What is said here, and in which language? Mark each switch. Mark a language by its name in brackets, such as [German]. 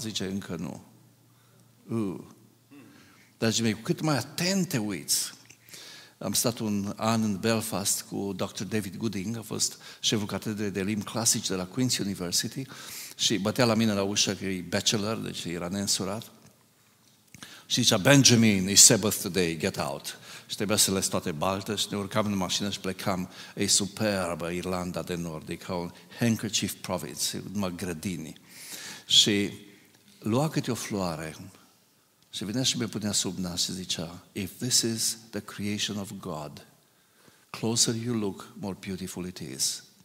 [Romanian] Zice, încă nu. Dragii mei, cu cât mai atent te uiți. Am stat un an în Belfast cu Dr. David Gooding, a fost șeful catedrei de limbi clasici de la Queen's University și bătea la mine la ușă că e bachelor, deci era neînsurat. Și zicea, [English] Benjamin, it's Sabbath today, get out. [Romanian] Și trebuia să les toate baltă și ne urcam în mașină și plecam. E superbă Irlanda de Nord, e ca un handkerchief province, numai grădini. Și lua câte o floare. Și venea și mi-a punea sub nas și zicea, [English] if this is the creation of God, closer you look, more beautiful it is.